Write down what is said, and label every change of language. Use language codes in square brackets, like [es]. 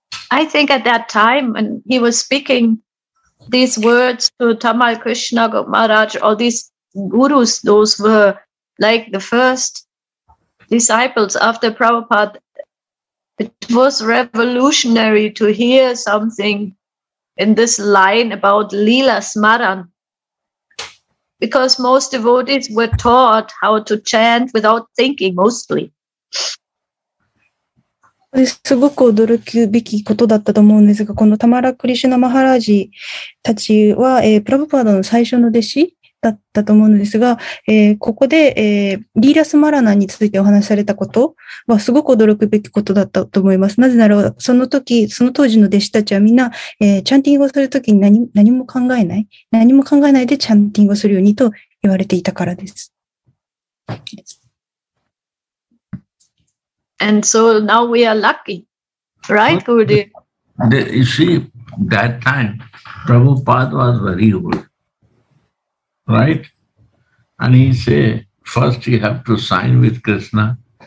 [en] I think at that time when he was speaking these words to Tamal Krishna Maharaj or these gurus, those were like the first disciples after Prabhupada, it was revolutionary to hear something in this line about Leela Smaran. Because most devotees were taught how to chant without thinking mostly. [ja] すごく驚くべきことだったと思うんですが、このタマラ・クリシュナ・マハラージたちは、プラブパードの最初の弟子だったと思うんですが、ここで、リーラス・マラナについてお話しされたことはすごく驚くべきことだったと思います。なぜなら、その時、その当時の弟子たちはみんな、チャンティングをするときに 何も考えない。何も考えないでチャンティングをするようにと言われていたからです。 [en] And so now we are lucky, right, Gurudev? You see, that time, Prabhupada was very old, right? And he said, first you have to sign with Krishna.